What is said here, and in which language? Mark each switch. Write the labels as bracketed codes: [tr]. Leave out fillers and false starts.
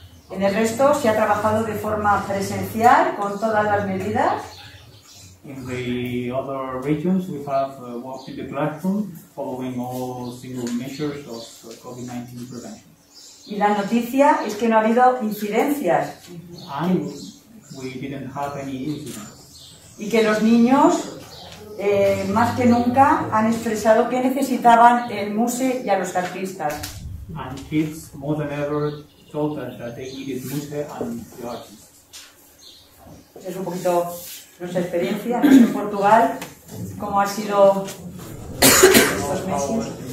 [es] En el resto se ha trabajado de forma presencial con todas las medidas. [en] In the other regions, we have worked in the classroom following all single measures of COVID-19 prevention. [es] Y la noticia es que no ha habido incidencias. [en] And we didn't have any incidents. [es] Y que los niños, más que nunca, han expresado que necesitaban el MUSE y a los artistas. [en] And kids, more than ever, told us that they needed MUSE and the artists. [es] Es un poquito nuestra experiencia, no sé en Portugal, cómo ha sido estos meses.